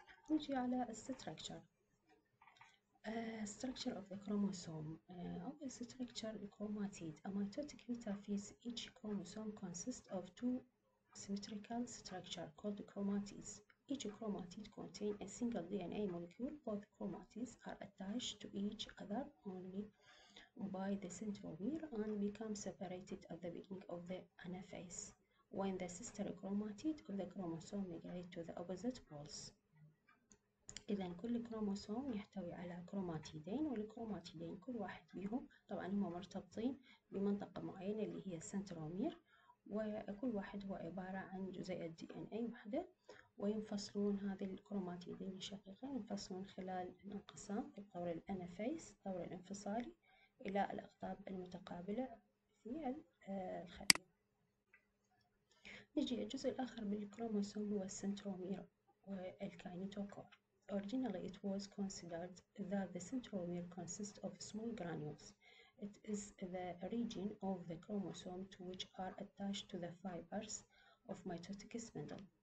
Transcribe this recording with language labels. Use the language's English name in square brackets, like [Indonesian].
[Arabic] نجي على [English] الستركتشر، structure of the chromosome. [Arabic] أول [English] Structure الكروماتيد، a mitotic metaphase, each chromosome consist of two symmetrical structure called chromatids. Each chromatide contains a single DNA molecule. Both chromatids are attached to each other only by the centromere and become separated at the beginning of the anaphase when the sister chromatide of the chromosome migrate to the opposite poles. [Arabic] إذا كل كروموسوم يحتوي على كروماتيدين، والكروماتيدين كل واحد بهم طبعا هم مرتبطين بمنطقة معينة اللي هي السنترومير، وكل واحد هو عبارة عن جزيئة DNA واحدة، وينفصلون هذه الكروماتيدين الشقيقين ينفصلون خلال الانقسام في الطور الأنافيس، الطور الانفصالي إلى الأقطاب المتقابلة في الخلية. نجي الجزء الآخر من الكروموسوم هو السنترومير والكاينيتوكور. [English] Originally it was considered that the centromere consists of small granules. It is the region of the chromosome to which are attached to the fibers of mitotic spindle.